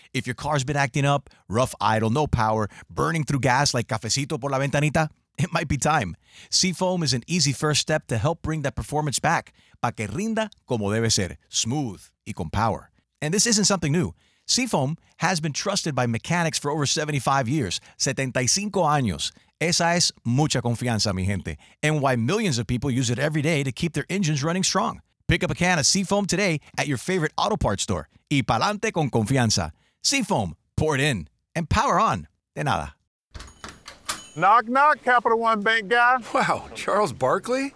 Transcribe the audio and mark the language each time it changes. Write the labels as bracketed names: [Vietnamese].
[English] If your car's been acting up, rough idle, no power, burning through gas like [Spanish] cafecito por la ventanita, [English] it might be time. Seafoam is an easy first step to help bring that performance back. [Spanish] Pa' que rinda como debe ser, [English] smooth [Spanish] y con power. [English] And this isn't something new. Seafoam has been trusted by mechanics for over 75 years. [Spanish] 75 años. Esa es mucha confianza, mi gente. [English] And why millions of people use it every day to keep their engines running strong. Pick up a can of Seafoam today at your favorite auto parts store. [Spanish] Y pa'lante con confianza. Seafoam. [English] Pour it in. And power on. [Spanish] De nada. [English] Knock, knock, Capital One Bank guy. Wow, Charles Barkley?